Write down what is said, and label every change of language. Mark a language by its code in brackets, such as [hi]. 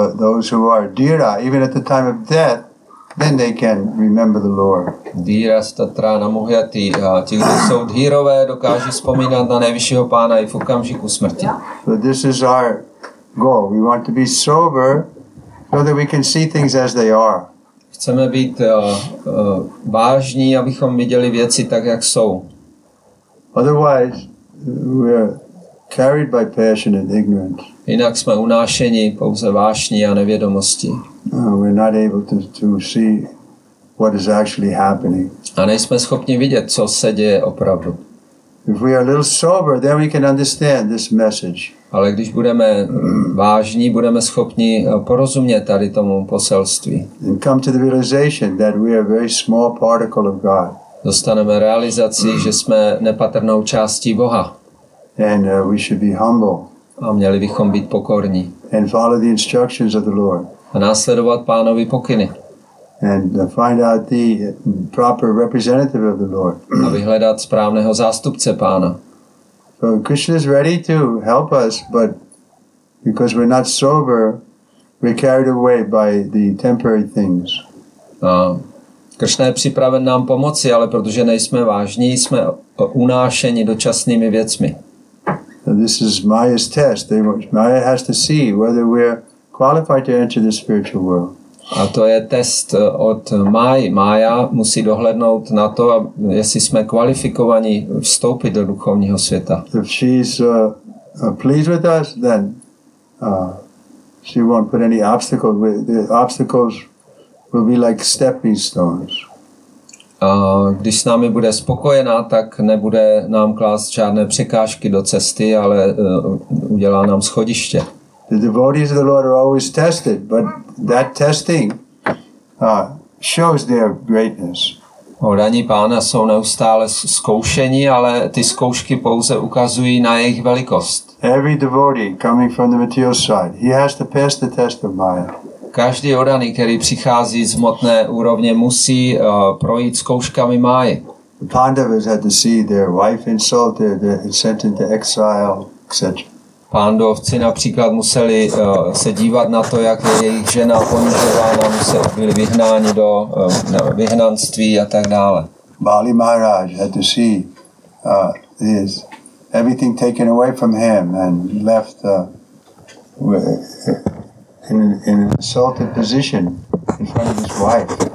[en] Those who are dhíra, even at the time of death, then they can remember the Lord. [sa] Dhíra tachana moyati. [cs] Ti, kdo jsou dhírové, dokáží vzpomínat na nejvyššího pána i v okamžiku smrti. [en] So this is our goal. We want to be sober so that we can see things as they are. [cs] Chceme být vážní, abychom viděli věci tak, jak jsou. [en] Otherwise, we are carried by passion and ignorance. [cs] Jinak jsme unášeni pouze vášní a nevědomosti. [en] We're not able to see what is actually happening. [cs] A nejsme schopni vidět, co se děje opravdu. [en] If we are a little sober, then we can understand this message. [cs] Ale když budeme vážní, budeme schopni porozumět tady tomu poselství. [en] And come to the realization that we are a very small particle of God. [cs] Dostaneme realizaci, že jsme nepatrnou částí Boha. [en] And we should be humble. [cs] A měli bychom být pokorní. [en] And follow the instructions of the Lord. [cs] A následovat Pánovi pokyny. [en] And find out the proper representative of the Lord. [cs] A vyhledat správného zástupce Pána. [en] So Krishna is ready to help us, but because we're not sober, we're carried away by the temporary things. [cs] Krishna je připraven nám pomoci, ale protože nejsme vážní, jsme unášeni dočasnými věcmi. [en] So this is Maya's test. Maya has to see whether we're qualified to enter the spiritual world. [cs] A to je test od Máji. Mája musí dohlednout na to, jestli jsme kvalifikovaní vstoupit do duchovního světa. [en] If she's pleased with us, then she won't put any obstacles. The obstacles will be like stepping stones. [cs] Když s námi bude spokojená, tak nebude nám klást žádné překážky do cesty, ale udělá nám schodiště. [en] The devotees of the Lord are always tested, but that testing shows their greatness. [cs] Daní pána jsou neustále zkoušení, ale ty zkoušky pouze ukazují na jejich velikost. [en] Every devotee coming from the material side, he has to pass the test of Maya. [cs] Každý odaný, který přichází z hmotné úrovně, musí projít zkouškami Máji. [en] The Pandavas had to see their wife insulted, sent into exile, etc. [cs] Pándovci například museli se dívat na to, jak je jejich žena ponižována, museli byli vyhnáni do vyhnanství a tak dále. [en] Bali Maharaj had to see his everything taken away from him and left in an insulted position in front of his wife.